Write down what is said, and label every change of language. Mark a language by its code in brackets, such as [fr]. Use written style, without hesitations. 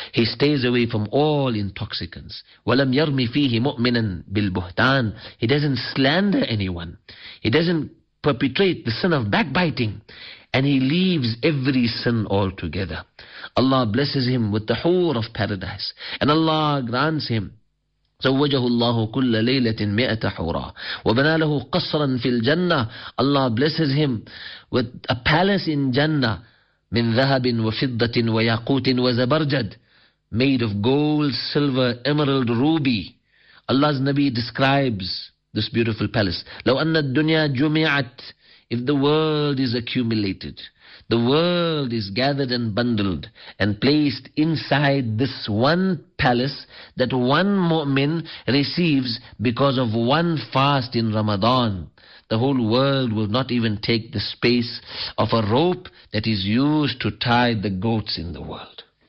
[en] He stays away from all intoxicants. [ar] وَلَمْ يَرْمِ فِيهِ مُؤْمِنًا بِالْبُهْتَانِ. [en] He doesn't slander anyone. He doesn't perpetrate the sin of backbiting. And he leaves every sin altogether. Allah blesses him with the hoor of paradise. And Allah grants him, [ar] زوجه الله كل ليلة مئة حورا وبنى له قصرا في الجنة. [en] Allah blesses him with a palace in Jannah, [ar] من ذهب وفضة وياقوت وزبرجد, [en] made of gold, silver, emerald, ruby. Allah's Nabi describes this beautiful palace. [ar] لو أن الدنيا جمعت, [en] if the world is accumulated, the world is gathered and bundled and placed inside this one palace that one mu'min receives because of one fast in Ramadan, the whole world will not even take the space of a rope that is used to tie the goats in the world.